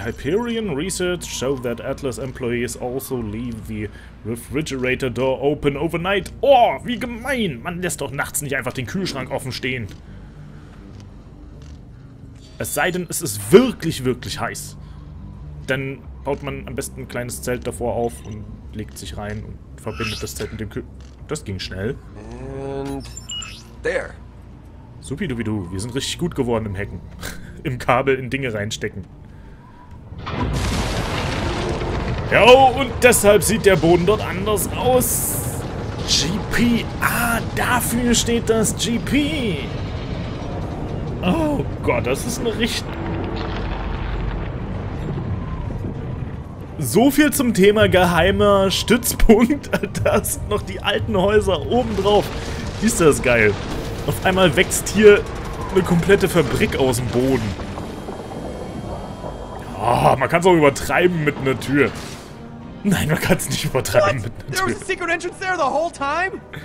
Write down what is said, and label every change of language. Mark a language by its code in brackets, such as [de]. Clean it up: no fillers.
[en] Hyperion research show that Atlas employees also leave the refrigerator door open overnight. [de] Oh, wie gemein. Man lässt doch nachts nicht einfach den Kühlschrank offen stehen. Es sei denn, es ist wirklich, wirklich heiß. Dann baut man am besten ein kleines Zelt davor auf und legt sich rein und verbindet das Zelt mit dem Kühlschrank. Das ging schnell. [en] And there. [de] Supidubidu, wir sind richtig gut geworden im Hacken. Im Kabel in Dinge reinstecken. Ja, und deshalb sieht der Boden dort anders aus. GP. Ah, dafür steht das GP. Oh Gott, das ist eine richtig... So viel zum Thema geheimer Stützpunkt. Da sind noch die alten Häuser obendrauf. Ist das geil. Auf einmal wächst hier eine komplette Fabrik aus dem Boden. Oh, man kann es auch übertreiben mit einer Tür. Nein, man kann es nicht übertreiben mit einer Tür. [en] There was a secret entrance there the whole time?